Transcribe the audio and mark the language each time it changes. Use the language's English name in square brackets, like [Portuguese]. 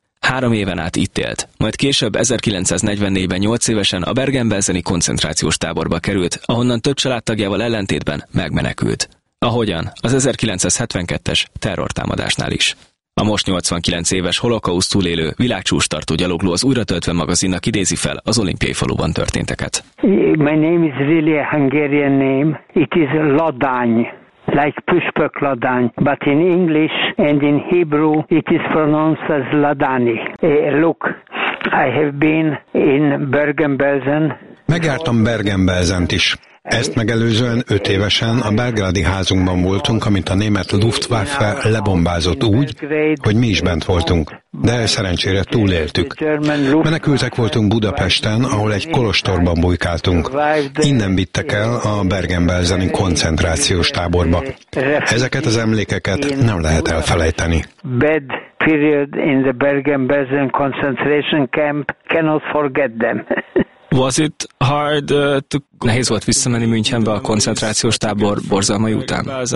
[Hungarian] 3 éven át itt élt, majd később 1944-ben 8 évesen a Bergen-Belseni koncentrációs táborba került, ahonnan több családtagjával ellentétben megmenekült. Ahogyan az 1972-es terrortámadásnál is. A most 89 éves holokauszt túlélő, világcsúcstartó gyalogló az Újratöltve magazinnak idézi fel az olimpiai faluban történteket. [English] My name is really a Hungarian name. It is Ladány, like Püspök Ladány, but in English and in Hebrew it is pronounced as Ladány. Look, I have been in Bergen-Belsen. [Hungarian] Megjártam Bergen-Belsent is. Ezt megelőzően 5 évesen a belgrádi házunkban voltunk, amit a német Luftwaffe lebombázott úgy, hogy mi is bent voltunk. De szerencsére túléltük. Menekültek voltunk Budapesten, ahol egy kolostorban bujkáltunk. Innen vittek el a Bergen-Belseni koncentrációs táborba. Ezeket az emlékeket nem lehet elfelejteni. [English] Bad period in the Bergen-Belsen concentration camp, cannot forget them. Was it hard to [Hungarian] Nehéz volt visszamenni Münchenbe a koncentrációs tábor borzalmai után?